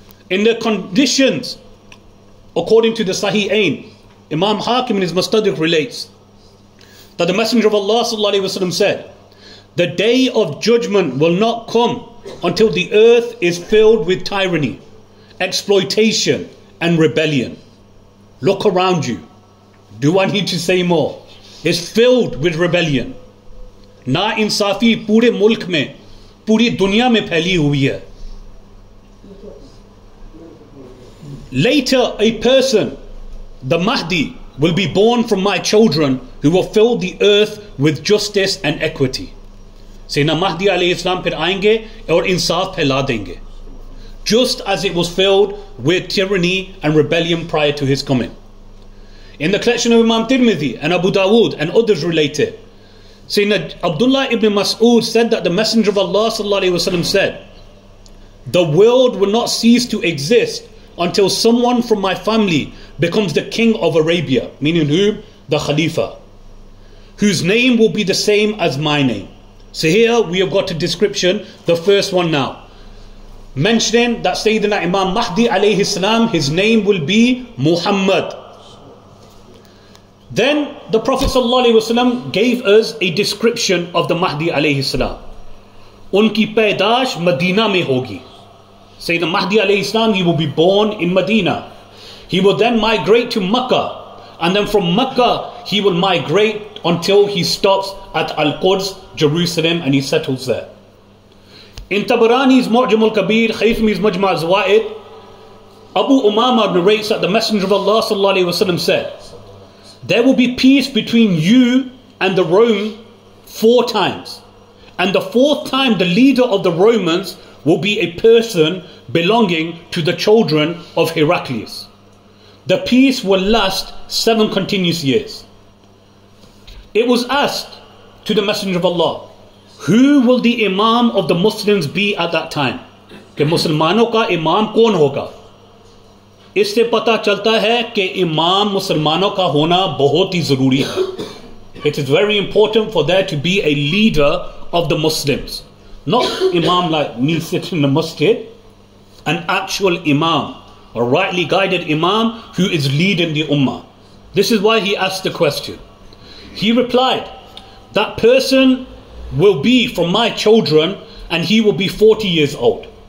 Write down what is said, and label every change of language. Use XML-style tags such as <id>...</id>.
<en>In the conditions, according to the Sahih-ain, Imam Hakim in his Mustadrak relates that the Messenger of Allah sallallahu alayhi wa sallam said, the day of judgment will not come until the earth is filled with tyranny, exploitation, and rebellion. Look around you. Do I need to say more? It's filled with rebellion.</en> <ur>ناانصافی پورے ملک میں، پوری دنیا میں پھیلی ہوئی ہے۔</ur> <en>Later, a person, the Mahdi, will be born from my children who will fill the earth with justice and equity.</en> <ur>سیدنا مہدی علیہ السلام پھر آئیں گے اور انصاف پھیلا دیں گے۔</ur> <en>Just as it was filled with tyranny and rebellion prior to his coming. In the collection of Imam Tirmidhi and Abu Dawood and others related, Sayyidina Abdullah ibn Mas'ud said that the Messenger of Allah sallallahu alayhi wa sallam said, the world will not cease to exist until someone from my family becomes the king of Arabia, meaning who? The Khalifa, whose name will be the same as my name. So here we have got a description, the first one now, mentioning that Sayyidina Imam Mahdi alayhi salam, his name will be Muhammad. Then the Prophet sallallahu alayhi wa sallam gave us a description of the Mahdi alayhi salam.</en> <ur>ان کی پیدائش مدینہ میں ہوگی۔</ur> <en>Sayyidina Mahdi alayhi salam, he will be born in Medina. He will then migrate to Makkah. And then from Makkah, he will migrate until he stops at Al-Quds, Jerusalem, and he settles there. In Tabarani's Mu'jam al-Kabir, Khaythmi's Majma' al-Zawa'id, Abu Umama narrates that the Messenger of Allah sallallahu alayhi wa sallam said, there will be peace between you and the Rome four times. And the fourth time, the leader of the Romans will be a person belonging to the children of Heraclius. The peace will last 7 continuous years. It was asked to the Messenger of Allah, who will the Imam of the Muslims be at that time?</en> <ur>کے مسلمانوں کا امام کون ہوگا؟ اس سے پتا چلتا ہے کے امام مسلمانوں کا ہونا بہت ہی ضروری ہے۔</ur> <en>It is very important for there to be a leader of the Muslims. Not Imam like me sitting in the masjid, an actual Imam, a rightly guided Imam who is leading the Ummah. This is why he asked the question. He replied, that person will be from my children and he will be 40 years old.</en>